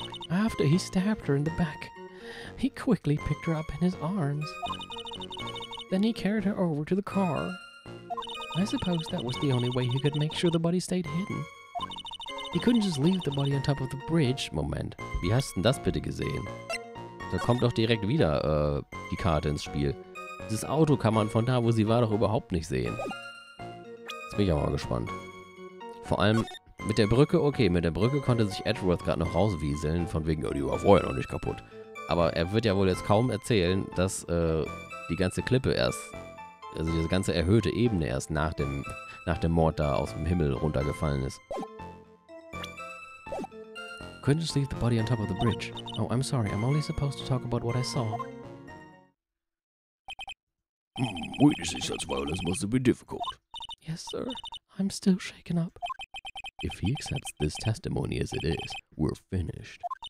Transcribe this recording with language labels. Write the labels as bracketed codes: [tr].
[en] After he stabbed her in the back, he quickly picked her up in his arms. Then he carried her over to the car. I suppose that was the only way he could make sure the body stayed hidden. He couldn't just leave the body on top of the bridge. [de] Moment, wie hast du denn das bitte gesehen? Da kommt doch direkt wieder die Karte ins Spiel. Dieses Auto kann man von da, wo sie war, doch überhaupt nicht sehen. Jetzt bin ich auch mal gespannt. Vor allem mit der Brücke, okay, mit der Brücke konnte sich Edgeworth gerade noch rauswieseln, von wegen, oh, die war vorher noch nicht kaputt. Aber er wird ja wohl jetzt kaum erzählen, dass die ganze Klippe erst, also diese ganze erhöhte Ebene erst nach dem Mord da aus dem Himmel runtergefallen ist. [en] Couldn't just leave the body on top of the bridge. Oh, I'm sorry, I'm only supposed to talk about what I saw. Witnessing such violence must have been difficult. Yes, sir. I'm still shaken up. If he accepts this testimony as it is, we're finished.